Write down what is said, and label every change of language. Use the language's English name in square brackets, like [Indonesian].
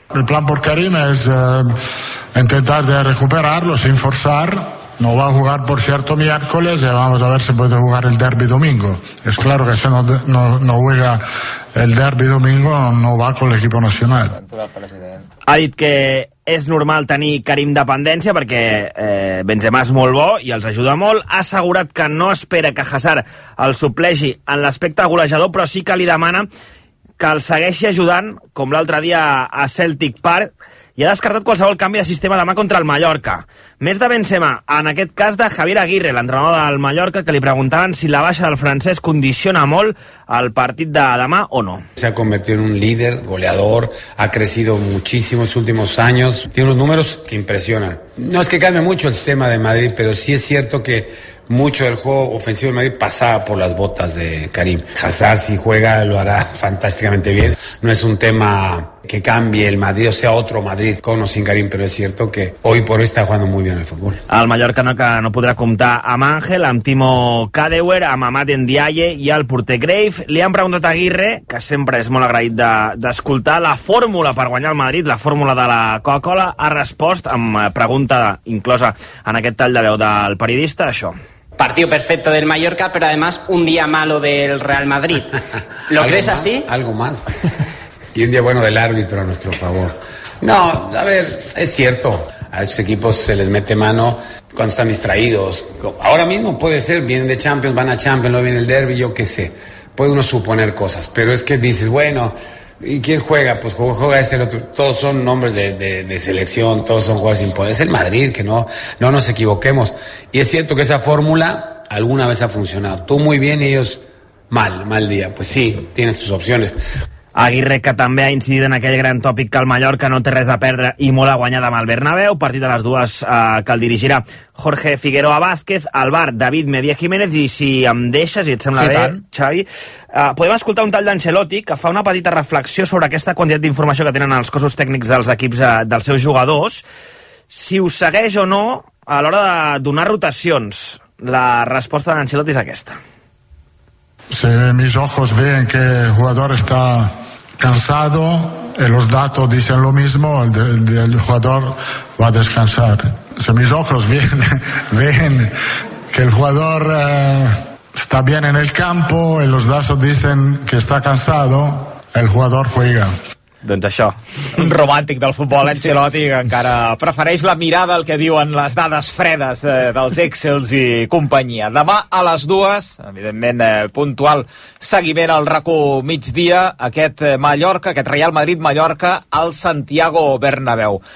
[Spanish] El plan por Karim es intentar de recuperarlo sin forzar. No va a jugar, por cierto, miércoles, y vamos a ver si puede jugar el derbi domingo. Es claro que si no juega el derbi domingo, no va con el equipo nacional. [Catalan] Ha dit que és normal tenir Karim dependència perquè Benzema és molt bo i els ajuda molt. Ha assegurat que no espera que Hazard el suplegi en l'aspecte golejador, però sí que li demana que el segueixi ajudant, com l'altre dia a Celtic Park, i ha descartat qualsevol canvi de sistema demà contra el Mallorca. Més de Benzema, en aquest cas de Javier Aguirre, l'entrenador del Mallorca, que li preguntaven si la baixa del francès condiciona molt el partit de demà o no. [Spanish] Se ha convertido en un líder goleador, ha crecido muchísimo en los últimos años, tiene unos números que impresionan. No es que cambie mucho el sistema de Madrid, pero sí es cierto que mucho del juego ofensivo de Madrid pasaba por las botas de Karim. Hazard, si juega, lo hará fantásticamente bien. No es un tema que cambie el Madrid o sea otro Madrid con o sin Karim, pero es cierto que hoy por hoy está jugando muy bien el fútbol. [Catalan] El Mallorca no podrà comptar amb Ángel, amb Timo Kadewer, amb Amad Ndiaye i el porter Grave. Li han preguntat a Aguirre, que sempre és molt agraït d'escoltar, la fórmula per guanyar el Madrid, la fórmula de la Coca-Cola, ha respost amb pregunta inclosa en aquest tall de veu del periodista, això. [Spanish] Partido perfecto del Mallorca, pero además un día malo del Real Madrid. ¿Lo crees más, así? Algo más. Y un día bueno del árbitro a nuestro favor. No, a ver, es cierto. A esos equipos se les mete mano cuando están distraídos. Ahora mismo puede ser, vienen de Champions, van a Champions, luego viene el derbi, yo qué sé. Puede uno suponer cosas, pero es que dices, bueno, ¿y quién juega? Pues juega este, el otro. Todos son nombres de selección, todos son jugadores importantes. Es el Madrid, que no nos equivoquemos. Y es cierto que esa fórmula alguna vez ha funcionado. Tú muy bien y ellos mal día. Pues sí, tienes tus opciones. [Catalan] Aguirre, que també ha incidit en aquell gran tòpic que el Mallorca no té res a perdre i molt a guanyar amb el Bernabéu, partit de les dues que el dirigirà Jorge Figueroa Vázquez, al bar David Medie Jiménez, i si em deixes i et sembla bé, Xavi, podem escoltar un tall d'Ancelotti que fa una petita reflexió sobre aquesta quantitat d'informació que tenen els cossos tècnics dels equips dels seus jugadors, si ho segueix o no a l'hora de donar rotacions. La resposta d'Ancelotti és aquesta. [Spanish] Si mis ojos ven que el jugador está cansado, y los datos dicen lo mismo, el jugador va a descansar. Si mis ojos ven que el jugador está bien en el campo, y los datos dicen que está cansado, el jugador juega. [Catalan] Doncs això. Un romàntic del futbol, Ancelotti, que encara prefereix la mirada al que diuen les dades fredes dels Excels i companyia. Demà a les dues, evidentment puntual, seguiment al RAC1 migdia, aquest Mallorca, aquest Real Madrid-Mallorca al Santiago Bernabéu.